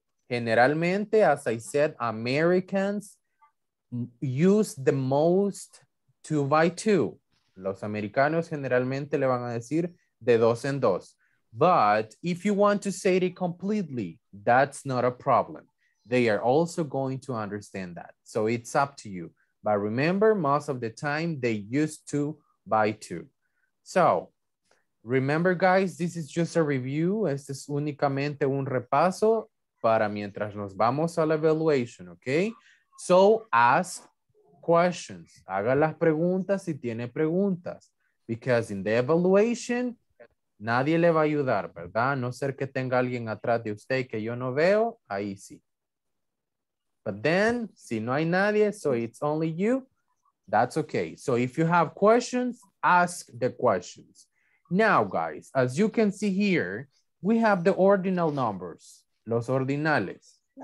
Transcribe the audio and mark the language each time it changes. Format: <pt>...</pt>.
<en>Generalmente, as I said, Americans use the most 2 by 2.</en> <es>Los americanos generalmente le van a decir de dos en dos.</es> <en>But if you want to say it completely, that's not a problem. They are also going to understand that. So it's up to you. But remember, most of the time, they use 2 by 2. So, remember, guys, this is just a review.</en> <es>Este es únicamente un repaso para mientras nos vamos a la evaluation, okay?</es> <en>So, ask questions.</en> <es>Haga las preguntas si tiene preguntas.</es> <en>Because in the evaluation,</en> <es>nadie le va a ayudar, ¿verdad? A no ser que tenga alguien atrás de usted que yo no veo, ahí sí.</es> <en>But then,</en> <es>si no hay nadie,</es> <en>so it's only you, that's okay. So, if you have questions, ask the questions. Now, guys, as you can see here, we have the ordinal numbers, los ordinales.</en>